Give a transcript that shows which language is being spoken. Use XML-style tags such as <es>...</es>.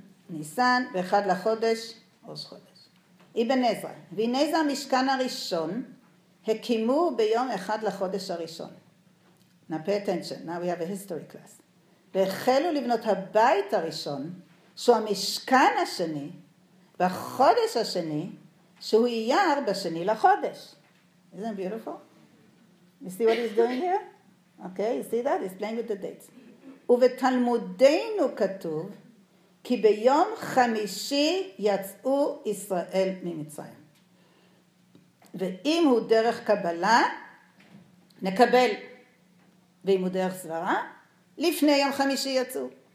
<he>ניסן, באחד לחודש, ראש חודש. אבן עזרא, והנה זה המשכן הראשון, הקימו ביום אחד לחודש הראשון.</he> <en>Now pay attention, now we have a history class.</en> <he>והחלו לבנות הבית הראשון, שהוא המשכן השני, בחודש השני, שהוא אייר בשני לחודש.</he> <en>Isn't it beautiful? You see what he's doing here? Okay, you see that? He's playing with the dates.</en> <he>ובתלמודנו כתוב, כי ביום חמישי יצאו ישראל ממצרים. ואם הוא דרך קבלה, נקבל. ואם הוא דרך סברה, לפני יום חמישי יצאו.</he>